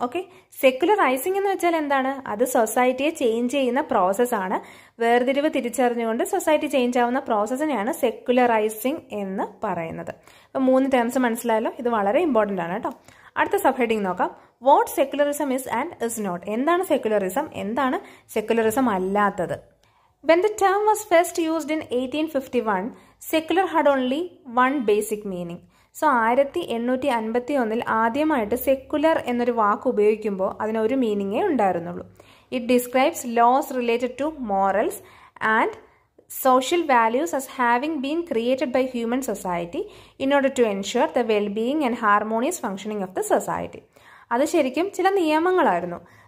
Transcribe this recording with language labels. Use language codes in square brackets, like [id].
[ml] Okay, സെക്കുലറൈസിംഗ് എന്ന് വെച്ചാൽ എന്താണ്? അത് സൊസൈറ്റിയെ ചേഞ്ച് ചെയ്യുന്ന പ്രോസസ്സാണ്, വേർതിരിവ് തിരിച്ചറിഞ്ഞുകൊണ്ട് സൊസൈറ്റി ചേഞ്ച് ആവുന്ന പ്രോസസ്സിനെയാണ് സെക്കുലറൈസിംഗ് എന്ന് പറയുന്നത്. അപ്പം മൂന്ന് ടേംസ് മനസ്സിലായല്ലോ, ഇത് വളരെ ഇമ്പോർട്ടൻ്റ് ആണ് കേട്ടോ. അടുത്ത സബ് ഹെഡിങ് നോക്കാം, [en] What secularism is and is not. [ml] എന്താണ് സെക്കുലറിസം, എന്താണ് സെക്കുലറിസം അല്ലാത്തത്? [en] When the term was first used in 1851, secular had only one basic meaning. [ml] So 1851 ആദ്യമായിട്ട് സെക്കുലർ എന്നൊരു വാക്ക് ഉപയോഗിക്കുമ്പോൾ അതിനൊരു മീനിങ്ങേ ഉണ്ടായിരുന്നുള്ളൂ. [en] It describes laws related to morals and social values as having been created by human society in order to ensure the well being and harmonious functioning of the society. [ml] അത് ശരിക്കും ചില നിയമങ്ങളായിരുന്നു,